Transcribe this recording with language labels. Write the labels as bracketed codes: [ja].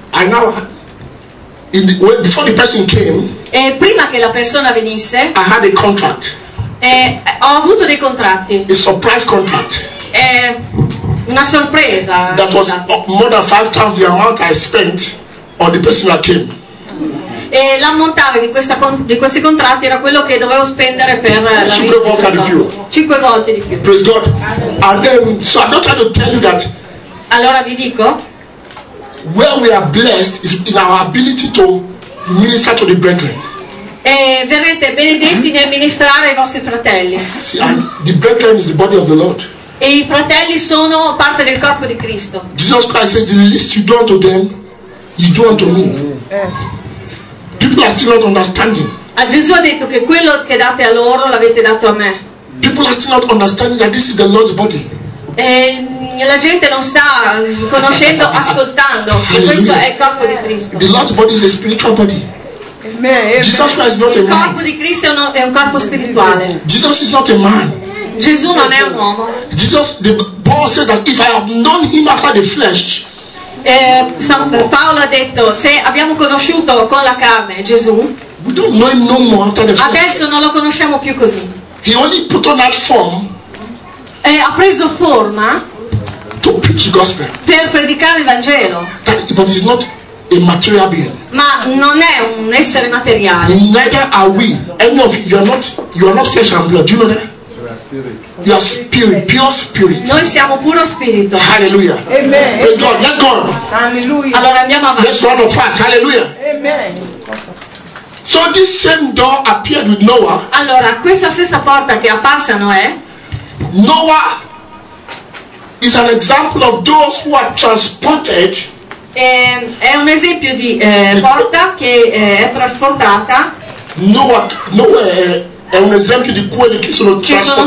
[en] I know. Before the person came. [it] E prima che la persona venisse. [en] I had a contract. [it] E ho avuto dei contratti. [en] A surprise contract. [it] E una sorpresa. [en] That was more than 5 times the amount I spent on the person that came. [it] E l'ammontare di questi contratti era quello che dovevo spendere per la 5 volte di più. 5 volte di più. [en] Praise God. And so I'm not trying to tell you that. [it] Allora vi dico. [en] Where we are blessed is in our ability to minister to the brethren. [it] E verrete benedetti nel ministrare ai vostri fratelli. [en] See, the brethren is the body of the Lord. [it] E i fratelli sono parte del corpo di Cristo. [en] Jesus Christ says, the least you do unto them, you do unto me. People are still not understanding. [it] A Gesù ha detto che quello che date a loro l'avete dato a me. [en] People are still not understanding that this is the Lord's body. [it] E la gente non sta conoscendo, ascoltando. Che questo è il corpo di Cristo. [en] The Lord's body is a spiritual body. Jesus Christ is not a man. [it] Il corpo di Cristo è un corpo spirituale. [en] Jesus is not a man. [it] Gesù non è un uomo. [en] Jesus, the Paul said that if I have known him after the flesh. [it] Paolo ha detto se abbiamo conosciuto con la carne Gesù, [en] we don't know him no more after the [it] adesso non lo conosciamo più così. [en] He only put on that form [it] ha preso forma [en] to preach the gospel. [it] Per predicare il Vangelo. [en] But it's not a material being. [it] Ma non è un essere materiale. [en] Neither are we. Any of you, you are not flesh and blood. Do you know that? Spirit. Your spirit, pure spirit. [it] Noi siamo puro spirito. [en] Hallelujah. Amen. Praise God. Let's go. Hallelujah. [it] Allora andiamo avanti. [en] Let's run fast. Hallelujah. Amen. So this same door appeared with Noah. [it] Allora questa stessa porta che è apparsa a Noè. [en] Noah is an example of those who are transported. [it] È un esempio di porta che è trasportata. [en] Noah. [it] È un esempio di quelli che sono trasportati.